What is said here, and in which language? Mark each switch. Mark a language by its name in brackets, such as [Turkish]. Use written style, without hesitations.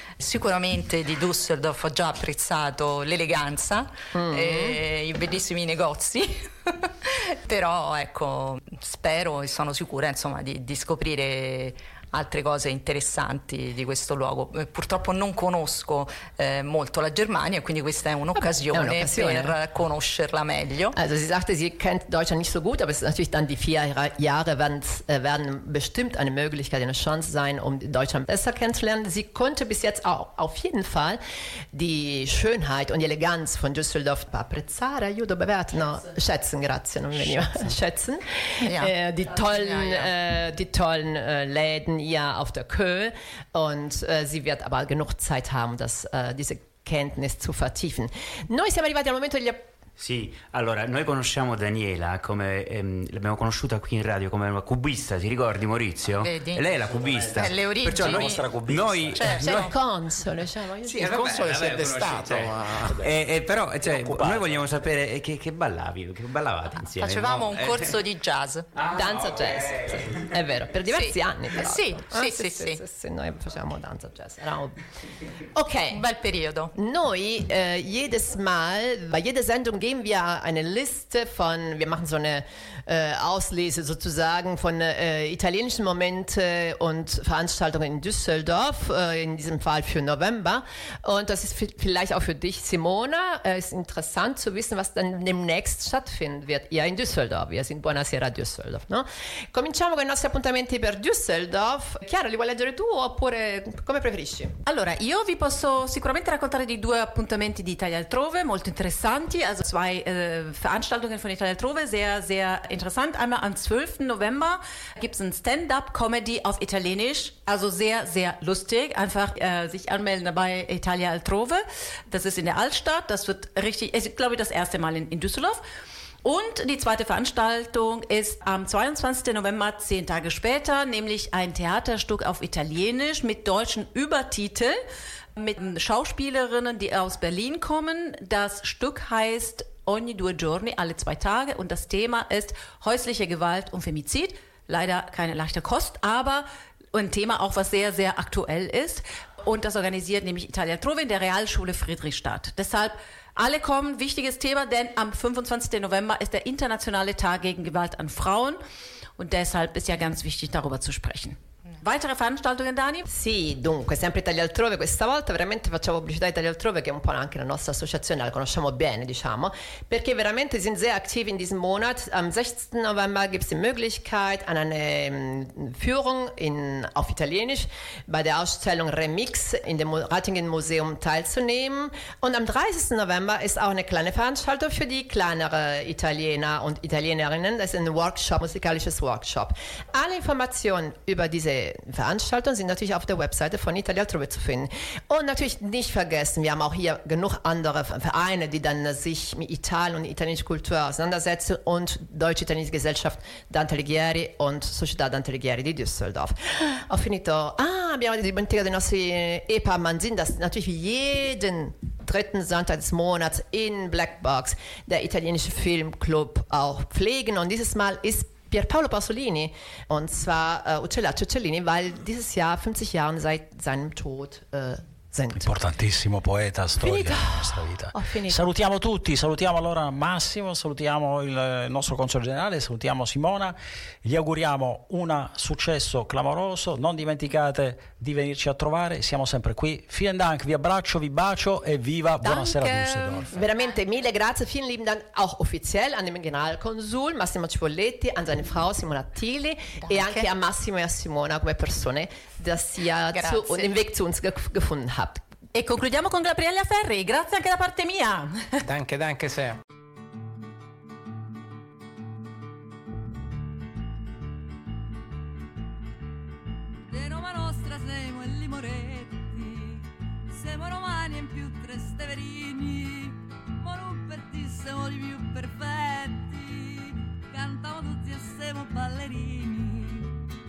[Italian] Sicuramente di Düsseldorf ho già apprezzato l'eleganza e i bellissimi negozi. Però ecco, spero e sono sicura, insomma, di scoprire altre cose interessanti di questo luogo. Purtroppo non conosco molto la Germania, quindi questa è un'occasione, vabbè, è un'occasione per conoscerla meglio. [German] Also sie sagte, sie kennt Deutschland nicht so gut, aber es ist natürlich dann die vier Jahre werden bestimmt eine Möglichkeit, eine Chance sein, um Deutschland besser kennenzulernen. Sie konnte bis jetzt auch auf jeden Fall die Schönheit und die Eleganz von Düsseldorf [Italian] apprezzare, aiuto, [German] bewerten, no, schätzen, [Italian] grazie, non veniva, [German] schätzen. Ja. Die tollen Läden ja auf der Kö und sie wird aber genug Zeit haben, diese Kenntnis zu vertiefen. [Italian] Noi siamo arrivati al momento degli Sì, allora noi conosciamo Daniela come l'abbiamo conosciuta qui in radio come una cubista, ti ricordi Maurizio? Vedi? Lei è la cubista. È le origini. Perciò noi, la nostra cubista. Noi, cioè, noi... Cioè, il console, diciamo. Sì, il console si è destato. Però cioè, noi vogliamo sapere che ballavi, che ballavate insieme. Facevamo un corso di jazz, danza jazz. Sì. È vero, per diversi anni però. Sì, sì, sì, sì, sì. Noi facevamo danza jazz. Eravamo... Ok. Un bel periodo. [German] Noi, jedes Mal, bei jeder Sendung geben wir eine Liste von, wir machen so eine Auslese sozusagen von italienischen Momente und Veranstaltungen in Düsseldorf, in diesem Fall für November. Und das ist vielleicht auch für dich, Simona, ist interessant zu wissen, was dann demnächst stattfinden wird. Ja, in Düsseldorf, wir sind Buonasera Düsseldorf. [Italian] No? Cominciamo con i nostri appuntamenti per Düsseldorf. Chiara, li vuoi leggere tu oppure come preferisci? Allora, io vi posso sicuramente raccontare di due appuntamenti di Italia Altrove, molto interessanti. [German] Also zwei Veranstaltungen von Italia Altrove, sehr, sehr interessant. Einmal am 12. November gibt es ein Stand-up-Comedy auf Italienisch, also sehr, sehr lustig. Einfach sich anmelden bei Italia Altrove. Das ist in der Altstadt, das wird richtig, ich glaube, das erste Mal in Düsseldorf. Und die zweite Veranstaltung ist am 22. November, 10 Tage später, nämlich ein Theaterstück auf Italienisch mit deutschen Übertitel. Mit Schauspielerinnen, die aus Berlin kommen. Das Stück heißt Ogni due giorni, alle zwei Tage. Und das Thema ist häusliche Gewalt und Femizid. Leider keine leichte Kost, aber ein Thema auch, was sehr, sehr aktuell ist. Und das organisiert nämlich Italia Trove in der Realschule Friedrichstadt. Deshalb alle kommen, wichtiges Thema, denn am 25. November ist der Internationale Tag gegen Gewalt an Frauen. Und deshalb ist ja ganz wichtig, darüber zu sprechen. Weitere Veranstaltungen, Dani? [Italian] Sì, dunque, sempre Italia Altrove. Questa volta veramente facciamo pubblicità Italia Altrove, che è un po' anche la nostra associazione, la conosciamo bene, diciamo, perché veramente [German] sind sehr aktiv in diesem Monat. Am 16. November gibt es die Möglichkeit an eine Führung in, auf Italienisch bei der Ausstellung Remix in dem Ratingen Museum teilzunehmen. Und am 30. November ist auch eine kleine Veranstaltung für die kleinere Italiener und Italienerinnen. Das ist ein Workshop, musikalisches Workshop. Alle Informationen über diese Veranstaltungen sind natürlich auf der Webseite von Italia Altrove zu finden. Und natürlich nicht vergessen, wir haben auch hier genug andere Vereine, die dann sich mit Italien und italienischer Kultur auseinandersetzen und Deutsche Italienische Gesellschaft Dante Alighieri und Società Dante Alighieri di Düsseldorf. [Italian] Ho finito. Ah, abbiamo dimenticato i nostri [German] EPA Manzin, das natürlich jeden dritten Sonntag des Monats in Blackbox der italienische Filmclub auch pflegen. Und dieses Mal ist Pierpaolo Pasolini, und zwar Uccellaccio Uccellini, weil dieses Jahr 50 Jahre seit seinem Tod sind. [Italian] Importantissimo poeta, storia della nostra vita. Salutiamo tutti, salutiamo allora Massimo, salutiamo il nostro console generale, salutiamo Simona, gli auguriamo un successo clamoroso, non dimenticate di venirci a trovare, siamo sempre qui. [German] Vielen Dank, [Italian] vi abbraccio, vi bacio e viva buonasera Düsseldorf. Veramente mille grazie, [German] vielen lieben Dank auch offiziell an den Generalkonsul Massimo Cipolletti, an seine Frau Simona Tili [Italian] e anche a Massimo e a Simona come persone, [German] dass ihr den Weg zu uns gefunden habt. [Italian] E concludiamo con Gabriella Ferri, grazie anche da parte mia. [German] Danke, danke sehr. [Italian] De Roma nostra siamo il Limoretti, siamo romani in più tre steverini, morumperti siamo i più perfetti, cantiamo tutti e siamo ballerini.